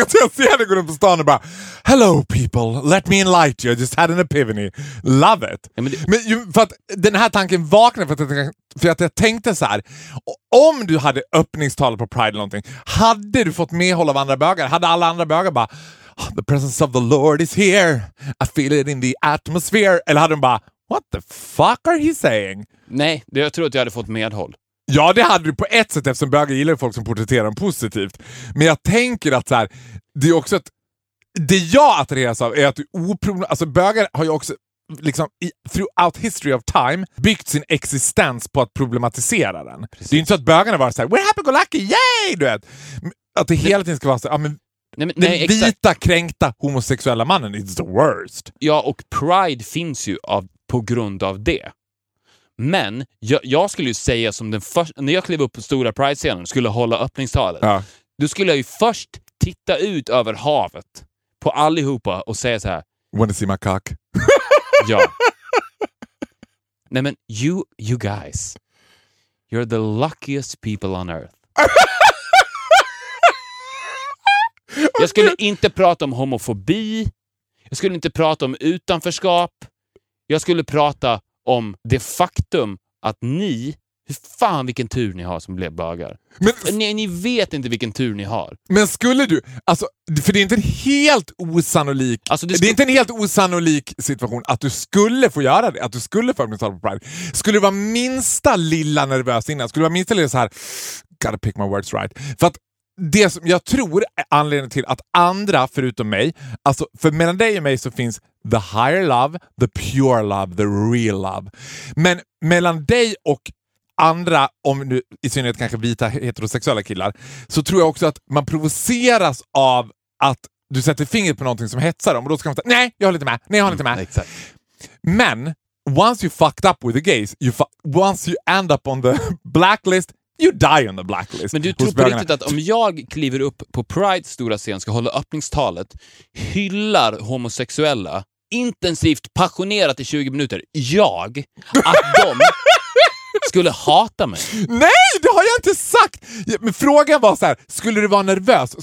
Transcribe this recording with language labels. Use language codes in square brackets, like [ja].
[sv] Alltså jag ser dig gå runt på stan och bara, [en] hello people, let me enlighten you. I just had an epiphany. Love it. [sv] Ja, men för att den här tanken vaknade, för att jag tänkte så här. Om du hade öppningstal på Pride eller någonting, hade du fått medhåll av andra bögar? Hade alla andra bögar bara... [en] The presence of the Lord is here. I feel it in the atmosphere. [sv] Eller hade de bara, [en] what the fuck are he saying? [sv] Nej, det, jag tror att jag hade fått medhåll. Ja, det hade du på ett sätt, eftersom bögar gillar folk som porträtterar dem positivt. Men jag tänker att så här, det är också att det jag attraheras av är att bögar har ju också liksom [en] throughout history of time [sv] byggt sin existens på att problematisera den. Precis. Det är inte så att bögarna var så här, [en] we're happy go lucky, yay, [sv] du vet. Att det hela tiden ska vara så här, ja, men Den vita, kränkta, homosexuella mannen, [en] it's the worst. [sv] Ja, och Pride finns ju på grund av det. Men jag skulle ju säga, som den första, när jag klev upp på stora Pride-scenen, skulle hålla öppningstalet. Ja. Då skulle jag ju först titta ut över havet på allihopa och säga så här, [en] wanna see my cock? [sv] Ja. Nej, men [en] you guys, You're the luckiest people on earth. [sv] Jag skulle inte prata om homofobi. Jag skulle inte prata om utanförskap. Jag skulle prata om det faktum att ni, hur fan vilken tur ni har som blev bögar. Men, ni vet inte vilken tur ni har. Men skulle du, alltså, för det är inte en helt osannolik, alltså, det är inte en helt osannolik situation att du skulle få göra det, att du skulle få öppna tal på Pride. Skulle du vara minsta lilla nervös innan, skulle du vara minsta lilla så här, [en] gotta pick my words right. [sv] För att det som jag tror är anledningen till att andra förutom mig, alltså, för mellan dig och mig så finns [en] the higher love, the pure love, the real love. [sv] Men mellan dig och andra, om nu i synnerhet kanske vita heterosexuella killar, så tror jag också att man provoceras av att du sätter fingret på någonting som hetsar dem, och då ska man säga, nej, jag håller inte med, nej, jag håller inte med. Exakt. Men [en] once you fucked up with the gays, once you end up on the blacklist, you die on the blacklist. [sv] Men du tror på riktigt att om jag kliver upp på Pride stora scen, ska hålla öppningstalet, hyllar homosexuella intensivt, passionerat i 20 minuter, jag, att de skulle hata mig? Nej, det har jag inte sagt. Men frågan var så här, skulle du vara nervös?